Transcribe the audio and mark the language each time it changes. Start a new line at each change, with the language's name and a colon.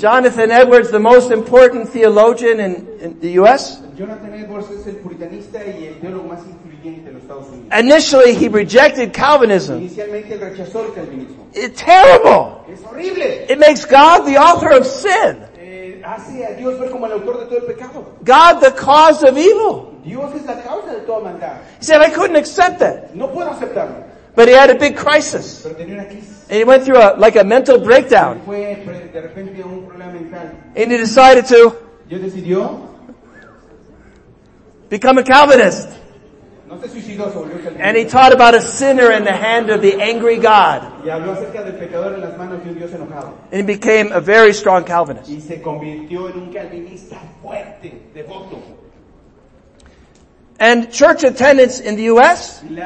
English: Jonathan Edwards, the most important theologian in the U.S.
Spanish: Jonathan Edwards es el puritanista y el teólogo más influyente en los Estados Unidos.
English: Initially, he rejected Calvinism.
Spanish: Inicialmente, él rechazó el Calvinismo.
English: It's terrible.
Spanish: Es horrible.
English: It makes God the author of sin.
Spanish: Hace a Dios ver como el autor de todo el pecado.
English: God the cause of evil.
Spanish: Dios es la causa de toda maldad.
English: He said, I couldn't accept that.
Spanish: No puedo aceptarlo.
English: But he had a big crisis.
Spanish: Pero tenía una crisis.
English: And he went through a mental breakdown.
Spanish: Fue, de repente, un problema mental.
English: And he decided to become a Calvinist.
Spanish: No se suicidó, se volvió Calvinista.
English: And he taught about a sinner in the hand of the angry God.
Spanish: Y habló acerca del pecador en las manos de un Dios enojado.
English: And he became a very strong Calvinist.
Spanish: Y se convirtió en un Calvinista fuerte, devoto.
English: And church attendance in the U.S.